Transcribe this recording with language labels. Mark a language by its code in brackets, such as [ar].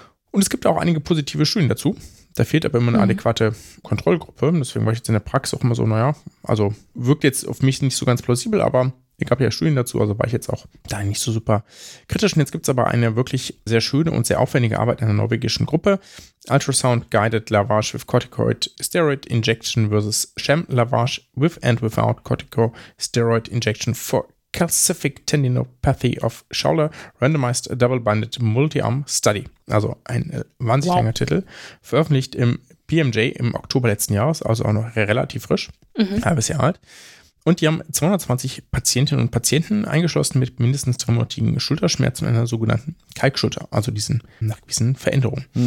[de] Und es gibt auch einige positive Studien dazu. Da fehlt aber immer eine adäquate Kontrollgruppe. Deswegen war ich jetzt in der Praxis auch immer so, naja, also wirkt jetzt auf mich nicht so ganz plausibel, aber es gab ja Studien dazu, also war ich jetzt auch da nicht so super kritisch. Und jetzt gibt es aber eine wirklich sehr schöne und sehr aufwendige Arbeit einer norwegischen Gruppe. [en] Ultrasound Guided Lavage with Corticoid Steroid Injection versus Sham Lavage with and without Corticosteroid Injection for Calcific Tendinopathy of Shoulder Randomized Double-Blinded Multi-Arm Study. [de] Also ein wahnsinnig langer Titel, veröffentlicht im BMJ im Oktober letzten Jahres, also auch noch relativ frisch, ein halbes Jahr alt. Und die haben 220 Patientinnen und Patienten eingeschlossen mit mindestens traumatischen Schulterschmerzen und einer sogenannten Kalkschulter, also diesen nachgewiesenen Veränderungen.